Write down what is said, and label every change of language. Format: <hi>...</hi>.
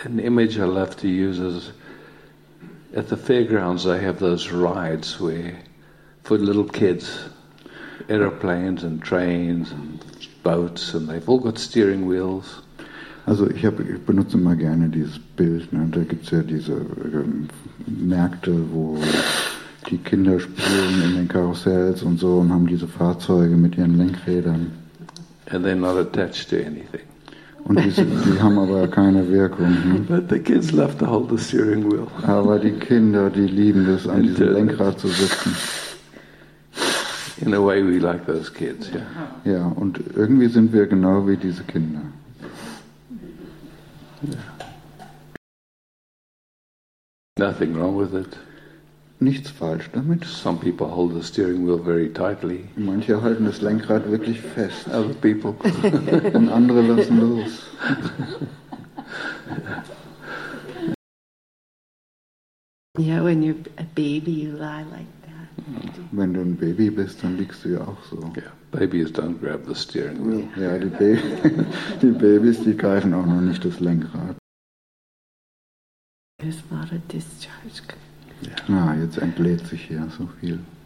<en>an image I love to use is at the fairgrounds they have those rides where for little kids, aeroplanes and trains and boats, and they've all got steering wheels.</en> <de>Also ich benutze immer gerne dieses Bild, ne? Da gibt es ja diese Märkte, wo die Kinder spielen in den Karussells und so und haben diese Fahrzeuge mit ihren Lenkrädern.</de> <en>And they're not attached to anything.</en> <de>Und die haben aber keine Wirkung. Ne?</de> <en>But the kids love to hold the steering wheel.</en> <de>Aber die Kinder, die lieben es, an diesem Lenkrad zu sitzen.</de> <en>In a way we like those kids, yeah.</en> <de>Ja, und irgendwie sind wir genau wie diese Kinder.</de> <en>Yeah. Nothing wrong with it.</en> <de>Nichts falsch damit.</de> <en>Some people hold the steering wheel very tightly.</en> <de>Manche halten das Lenkrad wirklich fest.</de> <en>Other people.</en> <de>Und andere lassen los.</de> <en>Yeah, when you're a baby, you lie like that.</en> <de>Wenn du ein Baby bist, dann liegst du ja auch so.</de> <en>Yeah. Babies don't grab the steering wheel.</en> <de>Ja, die Babys, die greifen auch noch nicht das Lenkrad.</de> <en>There's a lot of discharge.</en> <de>Yeah. Ah, jetzt entlädt sich hier so viel.</de>